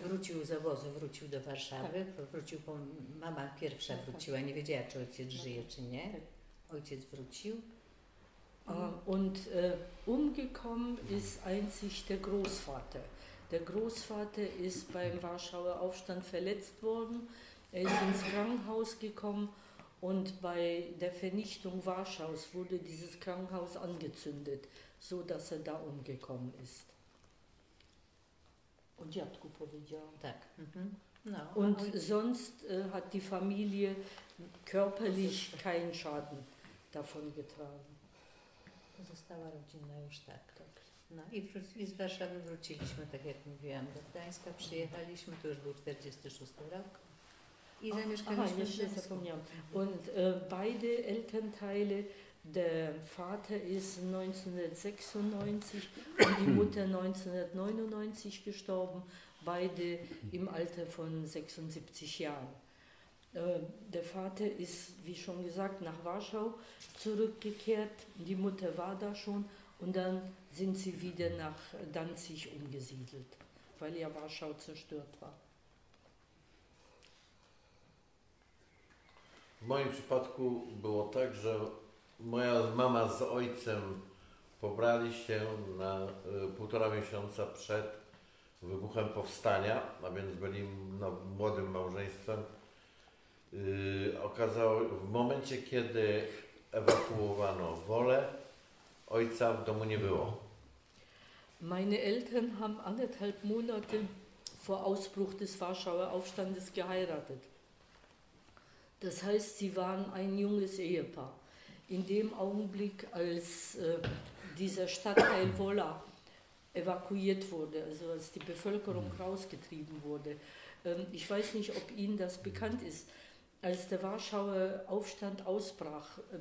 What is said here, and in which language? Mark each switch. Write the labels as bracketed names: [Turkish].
[Polish] Wrócił z obozu, wrócił do Warszawy, tak. Wrócił, bo mama pierwsza wróciła, nie wiedziała czy ojciec żyje czy nie. Ojciec wrócił. [German] Und umgekommen ist einzig der Großvater. Der Großvater ist beim Warschauer Aufstand verletzt worden. Er ist ins Krankenhaus gekommen und bei der Vernichtung Warschaus wurde dieses Krankenhaus angezündet, so dass er da umgekommen ist. [Polish] Und Jadku powiedział. Tak. Mhm. No. [German] Und sonst hat die Familie körperlich keinen Schaden davon getragen. [Polish] Pozostała rodzina już tak. No i z Warszawy wróciliśmy, tak jak mówiłam, do Gdańska. Przyjechaliśmy, to już był 46 rok. I zamieszkaliśmy jeszcze w zapomniałam. [German] Und beide Elternteile, der Vater ist 1996 und die Mutter 1999 gestorben, beide im Alter von 76 Jahren. Der Vater ist, wie schon gesagt, nach Warschau zurückgekehrt, die Mutter war da schon und dann sind sie wieder nach Danzig umgesiedelt, weil ja Warschau zerstört war. [Polish] W moim przypadku było tak, że moja mama z ojcem pobrali się na półtora miesiąca przed wybuchem powstania, a więc byli młodym małżeństwem. Okazało w momencie, kiedy ewakuowano Wolę, ojca w domu nie było. [German] Meine Eltern haben anderthalb Monate vor Ausbruch des Warschauer Aufstandes geheiratet. Das heißt, sie waren ein junges Ehepaar. In dem Augenblick, als dieser Stadtteil Wola evakuiert wurde, also als die Bevölkerung rausgetrieben wurde, ich weiß nicht, ob Ihnen das bekannt ist, als der Warschauer Aufstand ausbrach,